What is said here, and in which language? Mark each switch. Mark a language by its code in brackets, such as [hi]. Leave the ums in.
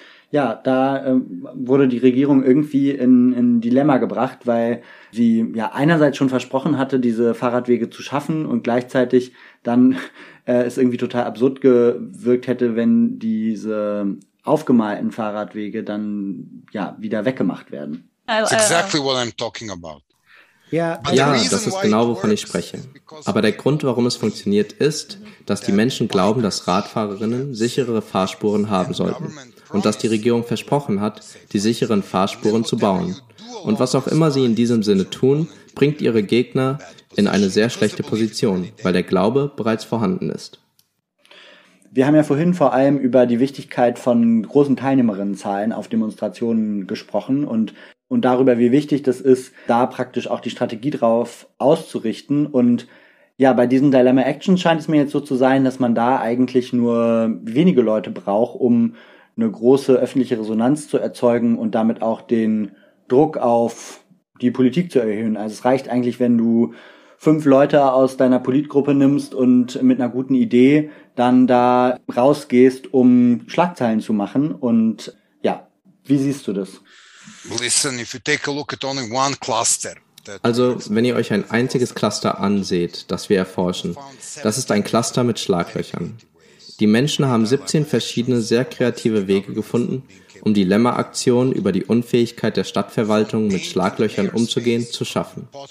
[de] ja, da ähm, wurde die Regierung irgendwie in in ein Dilemma gebracht, weil sie ja einerseits schon versprochen hatte, diese Fahrradwege zu schaffen und gleichzeitig dann äh, es irgendwie total absurd gewirkt hätte, wenn diese aufgemalten Fahrradwege dann ja wieder weggemacht werden. [en] It's exactly what I'm talking about. [de] Ja, Ja, das ist genau, wovon ich spreche. Aber der Grund, warum es funktioniert, ist, dass die Menschen glauben, dass Radfahrerinnen sichere Fahrspuren haben sollten und dass die Regierung versprochen hat, die sicheren Fahrspuren zu bauen. Und was auch immer sie in diesem Sinne tun, bringt ihre Gegner in eine sehr schlechte Position, weil der Glaube bereits vorhanden ist. Wir haben ja vorhin vor allem über die Wichtigkeit von großen Teilnehmerinnenzahlen auf Demonstrationen gesprochen und, und darüber, wie wichtig das ist, da praktisch auch die Strategie drauf auszurichten. Und ja, bei diesem Dilemma Action scheint es mir jetzt so zu sein, dass man da eigentlich nur wenige Leute braucht, um eine große öffentliche Resonanz zu erzeugen und damit auch den Druck auf die Politik zu erhöhen. Also es reicht eigentlich, wenn du fünf Leute aus deiner Politgruppe nimmst und mit einer guten Idee dann da rausgehst, um Schlagzeilen zu machen. Und ja, wie siehst du das? [en] Listen, if you take a look at only one cluster, [de] also, wenn ihr euch ein einziges Cluster anseht, das wir erforschen, das ist ein Cluster mit Schlaglöchern. Die Menschen haben 17 verschiedene sehr kreative Wege gefunden, um Dilemma-Aktionen über die Unfähigkeit der Stadtverwaltung mit Schlaglöchern umzugehen zu schaffen.